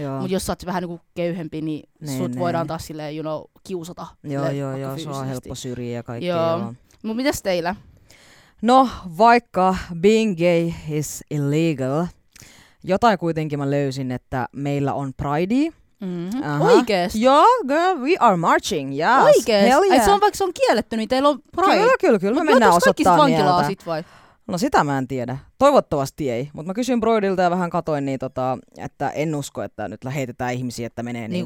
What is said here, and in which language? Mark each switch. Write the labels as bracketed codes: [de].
[fi] Mutta jos sä oot vähän niinku, köyhempi, niin nee, sut voidaan taas silleen, [en] you know, [fi] kiusata. Joo, se on helppo syrjiä ja kaikki. Joo. Mut mitäs teillä? No, vaikka [en] being gay is illegal, [fi] jotain kuitenkin mä löysin, että meillä on Pridea. Mm-hmm. Oikeesti? Joo, [en] girl, we are marching, yes. [fi] Oikeesti? Yeah. Se on, vaikka se on kielletty, niin teillä on Pride. Kyllä, mut me mennään osoittamaan mieltä. Mutta johtuisi kaikki vankilaa sit vai? No sitä mä en tiedä. Toivottavasti ei. Mutta mä kysyin Broidilta ja vähän katoin, niin että en usko, että nyt heitetään ihmisiä, että menee niin